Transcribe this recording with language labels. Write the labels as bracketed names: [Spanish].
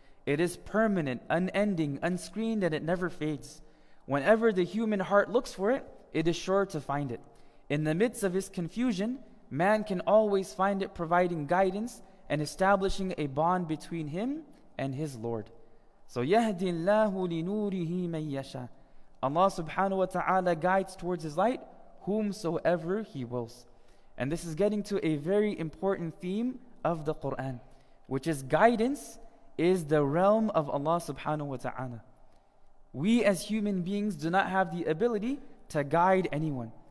[English] It is permanent, unending, unscreened, and it never fades. Whenever the human heart looks for it, it is sure to find it. In the midst of his confusion, man can always find it, providing guidance and establishing a bond between him and his Lord. [Arabic] So يَهْدِ اللَّهُ لِنُورِهِ مَنْ يَشَى. [English] Allah subhanahu wa ta'ala guides towards his light whomsoever he wills. And this is getting to a very important theme of the Quran, which is guidance is the realm of Allah subhanahu wa ta'ala. We as human beings do not have the ability to guide anyone.